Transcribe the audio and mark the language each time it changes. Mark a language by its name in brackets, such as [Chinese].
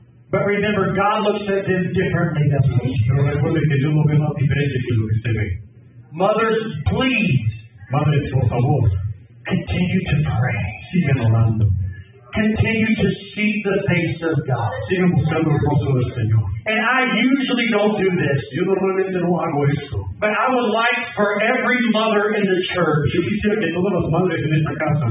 [English] But remember, God looks at them differently than we do. [Spanish] Pero recuerde que Dios lo ve más diferente que lo que usted ve. [English] Mothers, please. [Spanish] Madres, por favor. [English] Continue to pray. [Spanish] Sigan orando. [English] Continue to seek the face of God. [Spanish] Sigan buscando el rostro del Señor. [English] And I usually don't do this. [Spanish] Yo normalmente no hago esto. [English] But I would like for every mother in the church. [Spanish] Yo quisiera que todas las madres en esta casa.